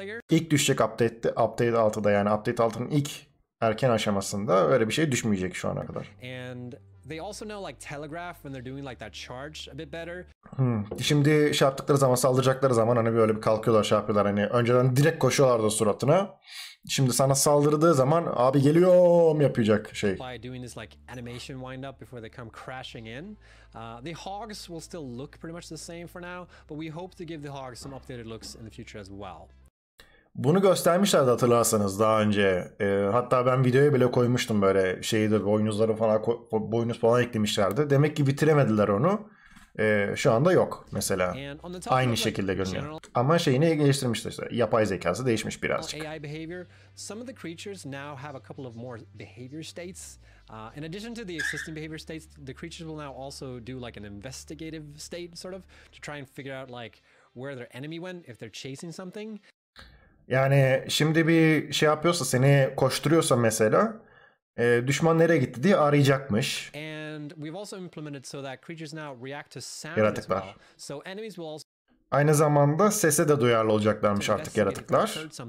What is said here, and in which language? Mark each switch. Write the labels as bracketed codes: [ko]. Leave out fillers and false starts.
[tr] İlk düşecek update 6'da yani update 6'nın ilk erken aşamasında öyle bir şey düşmeyecek şu ana kadar. [en] And they also know like telegraph when they're doing like that charge a bit better. [tr] Şimdi şey yaptıkları zaman, saldıracakları zaman hani böyle bir kalkıyorlar, şey yapıyorlar hani. Önceden direkt koşuyorlardı suratına. Şimdi sana saldırdığı zaman abi geliyorum yapacak şey. [en] By doing this like animation wind up before they come crashing in. The hogs will still look pretty much the same for now, but we hope to give the hogs some updated looks in the future as well. [tr] Bunu göstermişlerdi hatırlarsanız daha önce. Hatta ben videoya bile koymuştum böyle şeyidir, boynuzları falan, boynuz falan eklemişlerdi. Demek ki bitiremediler onu. Şu anda yok mesela. Aynı şekilde görünüyor. Ama şeyini geliştirmişler işte. Yapay zekası değişmiş birazcık. [en] AI behavior, some of the creatures now have a couple of more behavior states. In addition to the existing behavior states, the creatures will now also do like an investigative state sort of to try and figure out like where their enemy went if they're chasing something. [tr] Yani şimdi bir şey yapıyorsa, seni koşturuyorsa mesela, düşman nereye gitti diye arayacakmış. [en] And we've also implemented so that creatures now react to sound. [tr] Yaratıklar. [en] As well. So enemies will also... [tr] Aynı zamanda sese de duyarlı olacaklarmış artık yaratıklar.